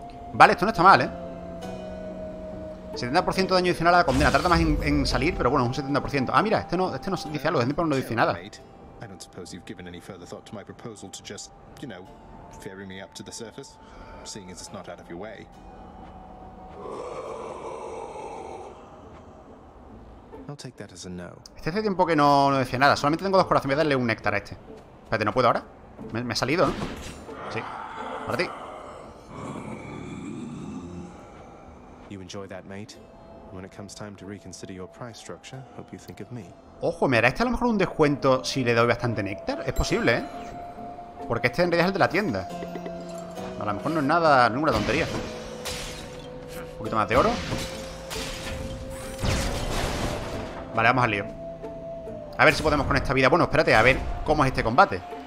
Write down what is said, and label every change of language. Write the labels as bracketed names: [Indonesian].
[Spanish] Vale, esto no está mal, 70% de daño adicional a la condena. Tarda más en salir, pero bueno, es un 70%. Ah, mira, este no dice algo. Este no dice nada. [English] I don't suppose you've given any further thought to my proposal to just, you know, ferry me up to the surface, seeing as it's not out of your way. I'll take that as a no. [Spanish] Este hace tiempo que no decía nada. Solamente tengo dos corazones. Voy a darle un néctar a este. Espérate, ¿no puedo ahora? Me ha salido, ¿no? Sí. Para ti. [English] You enjoy that, mate. When it comes time to reconsider your price structure, hope you think of me. [Spanish] Ojo, ¿me hará este a lo mejor un descuento si le doy bastante néctar? Es posible, Porque este en realidad es el de la tienda. A lo mejor no es nada, ninguna tontería. Un poquito más de oro. Vale, vamos al lío. A ver si podemos con esta vida. Bueno, espérate, a ver cómo es este combate.